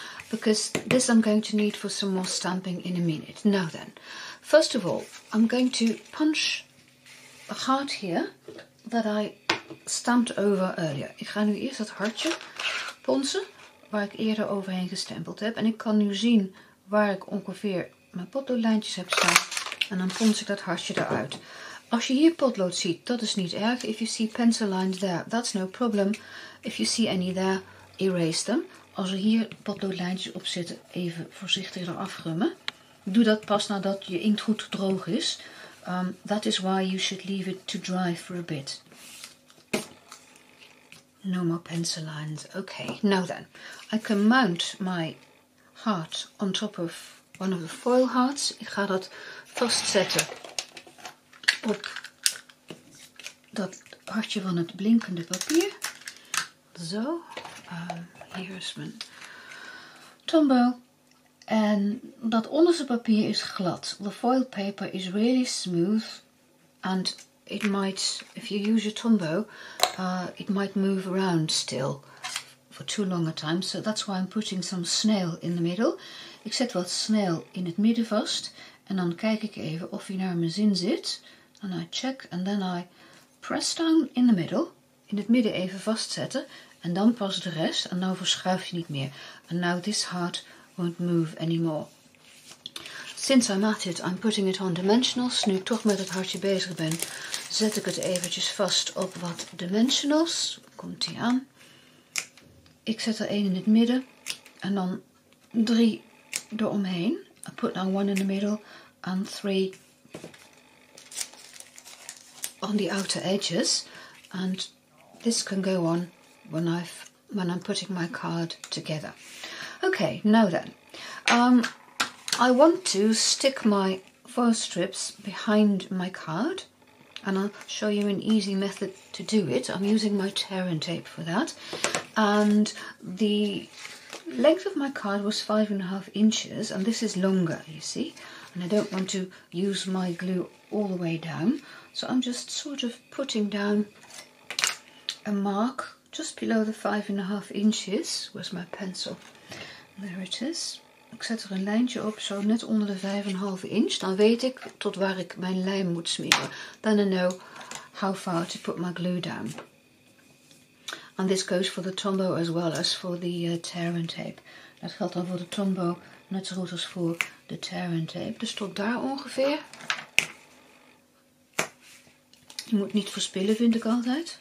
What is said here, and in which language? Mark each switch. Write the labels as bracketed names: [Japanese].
[English] Because this I'm going to need for some more stamping in a minute. Now then, first of all, I'm going to punch a heart here that I stamped over earlier. [Dutch] Ik ga nu eerst dat hartje ponsen waar ik eerder overheen gestempeld heb. En ik kan nu zien waar ik ongeveer mijn potloodlijntjes heb staan. En dan pons ik dat hartje eruit. Als je hier potlood ziet, dat is niet erg. [English] If you see pencil lines there, that's no problem. If you see any there, erase them. [Dutch] Als er hier potloodlijntjes op zitten, even voorzichtig eraf rummen. Doe dat pas nadat je inkt goed droog is. [English] That is why you should leave it to dry for a bit. No more pencil lines. Okay, now then. I can mount my heart on top of one of the foil hearts. [Dutch] Ik ga dat vastzetten op dat hartje van het blinkende papier. Zo. [English] Here is [Dutch] mijn Tombow. En dat onderste papier is glad. [English] The foil paper is really smooth. And it might, if you use your Tombow, it might move around still for too long a time. So that's why I'm putting some snail in the middle. [Dutch] Ik zet wat snail in het midden vast. En dan kijk ik even of hij naar mijn zin zit. [English] And I check and then I press down in the middle. [Dutch] In het midden even vastzetten. En dan pas de rest. En dan verschuift hij niet meer. [English] And now this heart won't move anymore. Since I'm at it, I'm putting it on dimensionals. [Dutch] Nu ik toch met het hartje bezig ben, zet ik het eventjes vast op wat dimensionals. Komt hij aan. Ik zet er één in het midden. En dan drie eromheen. [English] I put now one in the middle. And three on the outer edges. And this can go on when I'm putting my card together. Okay, now then. I want to stick my foil strips behind my card. And I'll show you an easy method to do it. I'm using my tear and tape for that. And the length of my card was 5.5 inches. And this is longer, you see. And I don't want to use my glue all the way down. So I'm just sort of putting down a mark just below the 5.5 inches. Where's my pencil? There it is. [Dutch] Ik zet er een lijntje op, zo net onder de 5.5 inch. Dan weet ik tot waar ik mijn lijm moet smeren. [English] Then I know how far to put my glue down. And this goes for the Tombow as well as for the tear and tape. [Dutch] Dat geldt dan voor de Tombow net zo goed als voor de tear and tape. Dus tot daar ongeveer. Je moet niet verspillen, vind ik altijd.